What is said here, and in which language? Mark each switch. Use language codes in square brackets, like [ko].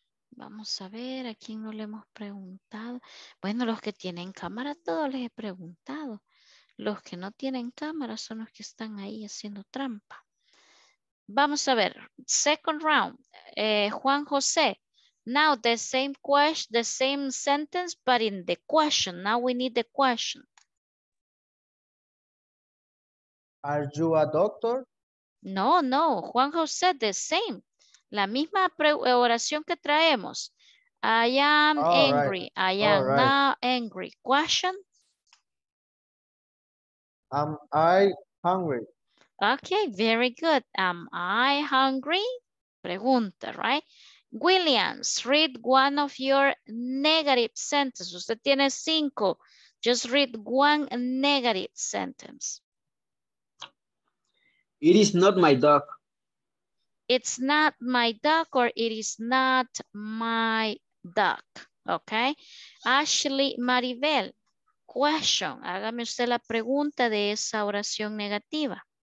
[es] Vamos a ver a quién no le hemos preguntado. Bueno, los que tienen cámara, todos les he preguntado. Los que no tienen cámara son los que están ahí haciendo trampa. Vamos a ver. [en] Second round. [es] Juan José. [en] Now the same question, the same sentence, but in the question. Now we need the question. Are you a doctor? [es] No, no. Juan José, [en] the same. [es] La misma oración que traemos. [en] I am All angry. Right. I am All not right. angry. Question? Am I hungry? Okay, very good. Am I hungry? Pregunta, right? Williams, read one of your negative sentences. [es] Usted tiene 5 [en] Just read one negative sentence. It is not my dog. It's not my dog, or it is not my dog. Okay. Ashley Maribel, question. [es] Hágame usted la pregunta de esa oración negativa.